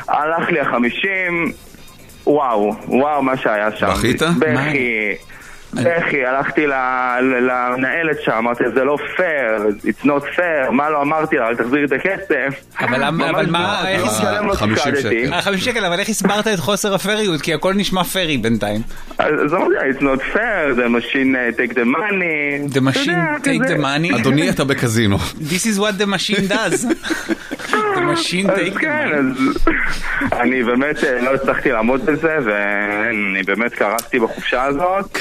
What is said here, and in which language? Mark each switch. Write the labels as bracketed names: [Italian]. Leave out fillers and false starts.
[Hebrew] הלך לי ה-50, וואו, וואו מה שהיה שם. בכית? בכי. בכי, הלכתי למנהלת שם, אמרתי, זה לא פייר, [English] it's not fair, [Hebrew] מה לא אמרתי לה, אל תחזיר את הכסף. אבל מה, איך הסברתי? 50 שקל, אבל איך הסברת את חוסר הפריות? כי הכל נשמע פרי בינתיים. אז אמרתי, [English] it's not fair, the machine take the money. The machine take the money? [Hebrew] אדוני, אתה בקזינו. [English] This is what the machine does. The machine take the money. [Hebrew] אני באמת לא הצלחתי לעמוד בזה, ואני באמת קרסתי בחופשה הזאת.